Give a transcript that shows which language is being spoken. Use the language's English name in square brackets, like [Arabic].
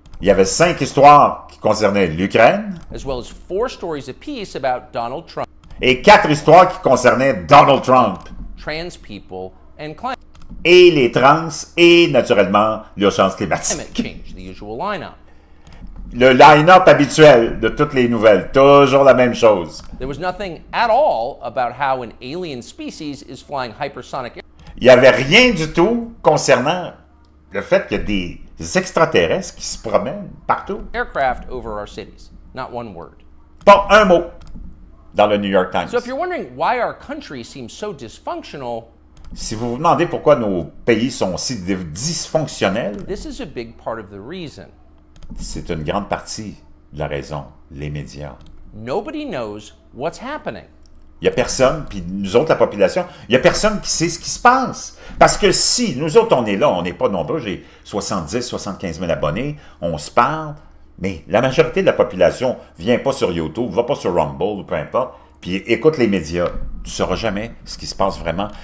[French] Il y avait cinq histoires qui concernaient l'Ukraine. [English] As well as four stories apiece about Donald Trump. [French] Et quatre histoires qui concernaient Donald Trump. [English] Trans people and climate. [French] Et les trans et, naturellement, l'urgence climatique. [English] Climate change, the usual line-up. [French] Le line-up habituel de toutes les nouvelles. Toujours la même chose. [English] There was nothing at all about how an alien species is flying hypersonic. [French] Il n'y avait rien du tout concernant le fait que des extraterrestres qui se promènent partout. [English] Aircraft over our cities. Not one word. [French] Pas un mot dans le New York Times. [English] So if you're wondering why our country seems so dysfunctional, [French] si vous vous demandez pourquoi nos pays sont si dysfonctionnels, [English] this is a big part of the reason. [French] C'est une grande partie de la raison, les médias. [English] Nobody knows what's happening. [French] Il n'y a personne, puis nous autres, la population, il n'y a personne qui sait ce qui se passe. Parce que si, nous autres, on est là, on n'est pas nombreux, j'ai 70, 75 000 abonnés, on se parle, mais la majorité de la population ne vient pas sur YouTube, ne va pas sur Rumble, peu importe, puis écoute les médias, tu ne sauras jamais ce qui se passe vraiment.